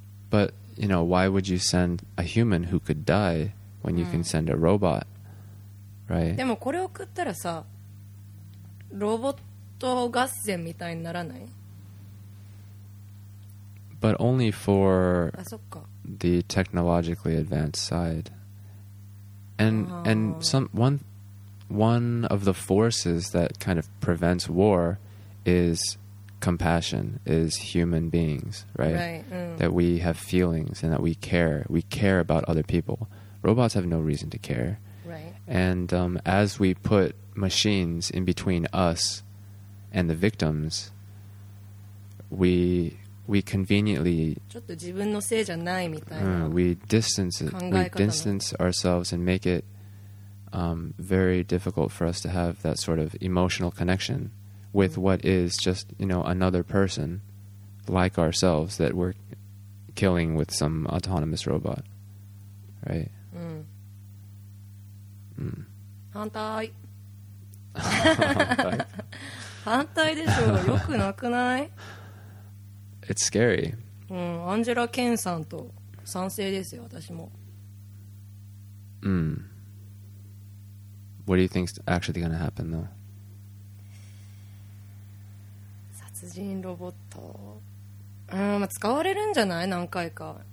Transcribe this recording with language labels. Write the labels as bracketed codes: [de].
[en] But, you know, why would you send a human who could die when you、mm. can send a robot, right? [ja] でもこれを食ったらさ、ロボットガス戦みたいにならない？ [en] But only for [ja] あ、そっか。 [en] the technologically advanced side. And, and some, one of the forces that kind of prevents war is compassion, is human beings, right? Right.、うん、 that we have feelings and that we care. We care about other people. Robots have no reason to care. Right. And、as we put machines in between usAnd the victims, we conveniently. [ja] ちょっと自分のせいじゃないみたいな。 [en] We distance ourselves and make it、very difficult for us to have that sort of emotional connection with、mm-hmm. what is just, you know, another person like ourselves that we're killing with some autonomous robot, right? [ja] うん。うん。反対。反対でしょ。よくなくない？ [en] It's scary. [ja] うん、アンジェラ・ケンさんと賛成ですよ、私も。うん。 [en] What do you think's actually gonna happen, though? [ja] 殺人ロボット。まあ、使われるんじゃない？何回か。